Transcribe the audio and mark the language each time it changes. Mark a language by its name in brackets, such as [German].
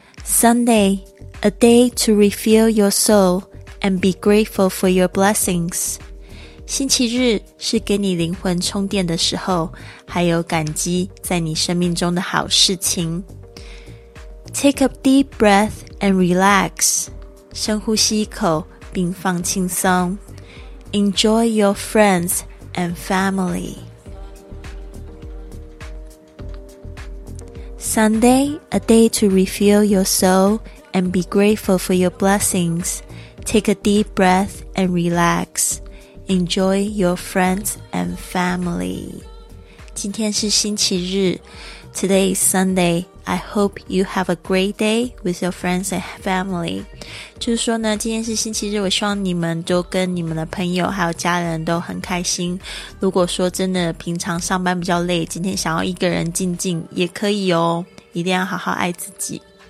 [English] Sunday, a day to refill your soul and be grateful for your blessings. [Chinese] 星期日是给你灵魂充电的时候，还有感激在你生命中的好事情。 [English] Take a deep breath and relax. [Chinese] 深呼吸一口并放轻松。 [English] Enjoy your friends and family. Sunday, a day to refill your soul and be grateful for your blessings. Take a deep breath and relax. Enjoy your friends and family. [Chinese] 今天是星期日。 [English] Today is Sunday. I hope you have a great day with your friends and family. [Chinese] 就是说呢，今天是星期日，我希望你们都跟你们的朋友还有家人都很开心。如果说真的平常上班比较累，今天想要一个人静静也可以哦，一定要好好爱自己。